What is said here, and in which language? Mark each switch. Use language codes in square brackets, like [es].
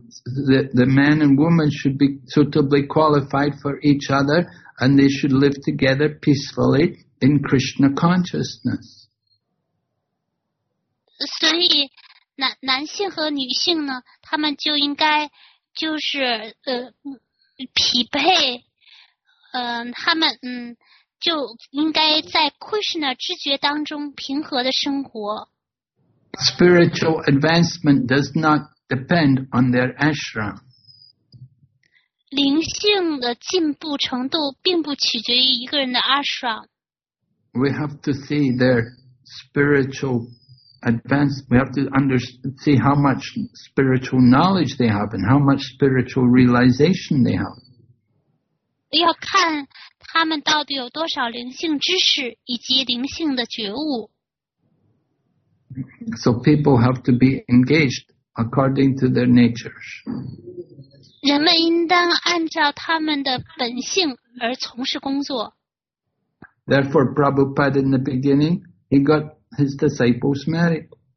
[en] The man and woman should be suitably qualified for each other, and they should live together peacefully in Krishna consciousness. [zh] 所以男性和女性呢，他们就应该就是匹配，他们就应该在 Krishna 知觉当中平和的生活。 [en] Spiritual advancement does not depend on their ashram. [zh] 灵性的进步程度并不取决于一个人的 ashram. [en] We have to see their spiritual advancement. We have to see how much spiritual knowledge they have and how much spiritual realization they have. [zh] 要看他们到底有多少灵性知识以及灵性的觉悟。 [en] So people have to be engaged according to their natures. [zh] 人们应当按照他们的本性而从事工作。 [en] Therefore, Prabhupada in the beginning, he got his disciples married.